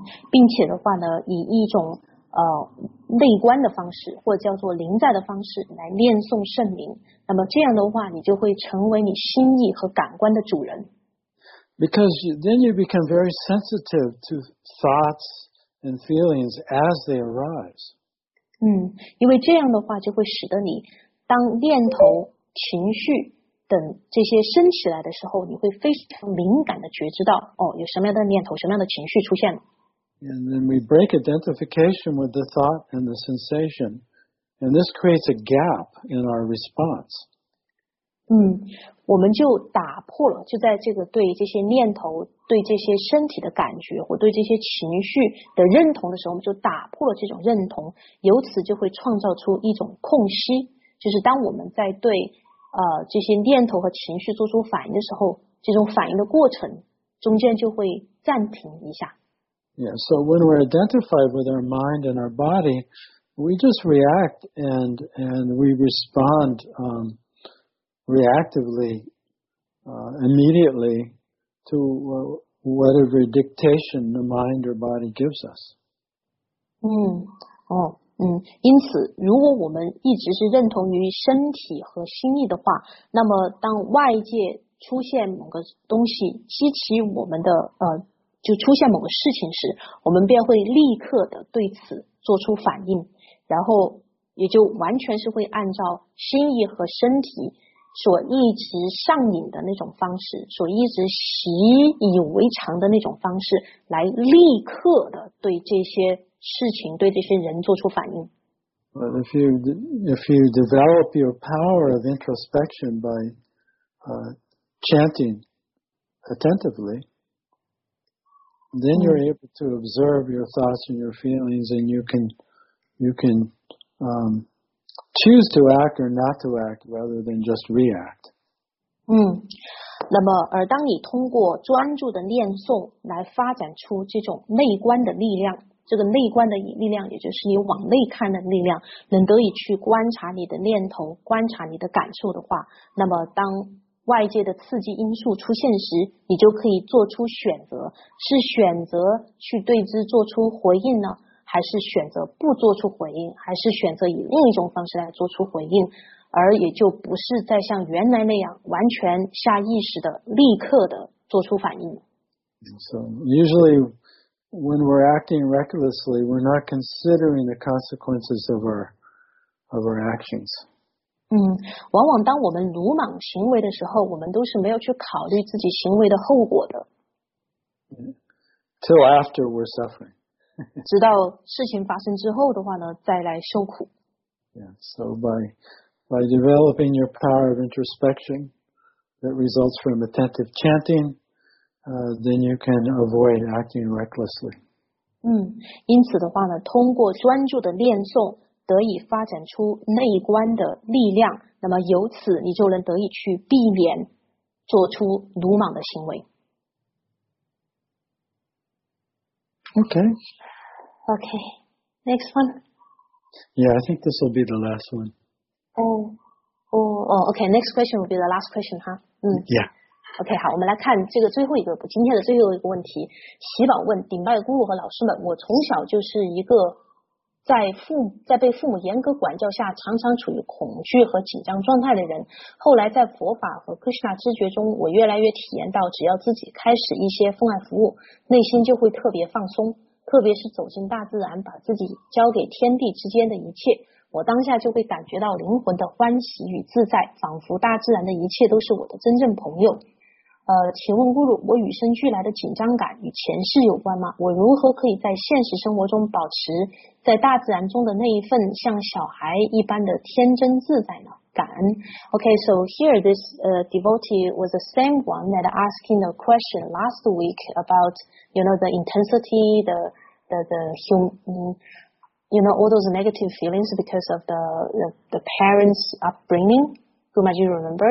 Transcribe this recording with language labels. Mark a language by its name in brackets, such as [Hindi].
[Chinese] 并且的话呢，以一种内观的方式，或者叫做临在的方式来念诵圣名。那么这样的话，你就会成为你心意和感官的主人。 [English] Because then you become very sensitive to thoughts and feelings as they arise. [Chinese] 因为这样的话就会使得你当念头、情绪等这些升起来的时候，你会非常敏感的觉知到哦，有什么样的念头、什么样的情绪出现了。 [English] And then we break identification with the thought and the sensation, and this creates a gap in our response. [Chinese] 我们就打破了，就在这个对这些念头、对这些身体的感觉或对这些情绪的认同的时候，我们就打破了这种认同，由此就会创造出一种空隙。就是当我们在对这些念头和情绪做出反应的时候，这种反应的过程中间就会暂停一下。 [English] Yeah, so when we're identified with our mind and our body, we just react and we respond reactively, immediately to whatever dictation the mind or body gives us. [Chinese] 因此如果我们一直是认同于身体和心意的话，那么当外界出现某个东西激起我们的就出现某个事情时，我们便会立刻的对此做出反应，然后也就完全是会按照心意和身体所一直上瘾的那种方式，所一直习以为常的那种方式来立刻的对这些事情、对这些人做出反应。 [English] But if you develop your power of introspection by chanting attentively, then you're able to observe your thoughts and your feelings, and you can choose to act or not to act rather than just react. [Chinese] 那么而当你通过专注的念诵来发展出这种内观的力量。这个内观的力量，也就是你往内看的力量，能得以去观察你的念头，观察你的感受的话，那么当外界的刺激因素出现时，你就可以做出选择，是选择去对之做出回应呢，还是选择不做出回应，还是选择以另一种方式来做出回应，而也就不是在像原来那样完全下意识的立刻的做出反应。 [English] So usually when we're acting recklessly, we're not considering the consequences of our actions. [Chinese] 嗯，往往当我们鲁莽行为的时候，我们都是没有去考虑自己行为的后果的。 [English] Till after we're suffering. [Chinese] 直到事情发生之后的话呢，再来受苦。 [English] Yeah, so by developing your power of introspection that results from attentive chanting, then you can avoid acting recklessly. [Chinese] 嗯，因此的话呢，通过专注的念诵得以发展出内观的力量，那么由此你就能得以去避免做出鲁莽的行为。 [English] Okay. Next one. Yeah, I think this will be the last one. Okay. Next question will be the last question, huh? Yeah. [Chinese] OK, 好，我们来看这个最后一个，今天的最后一个问题。喜宝问顶拜咕噜和老师们，我从小就是一个在被父母严格管教下常常处于恐惧和紧张状态的人。后来在佛法和克什纳知觉中，我越来越体验到只要自己开始一些奉爱服务，内心就会特别放松，特别是走进大自然，把自己交给天地之间的一切。我当下就会感觉到灵魂的欢喜与自在，仿佛大自然的一切都是我的真正朋友。请问咕噜，我与生俱来的紧张感与前世有关吗？我如何可以在现实生活中保持在大自然中的那一份像小孩一般的天真自在呢？感恩。 [English] Okay, so here this devotee was the same one that asking a question last week about, you know, the intensity, the human. You know, all those negative feelings because of the parents' upbringing. Guma, do you remember?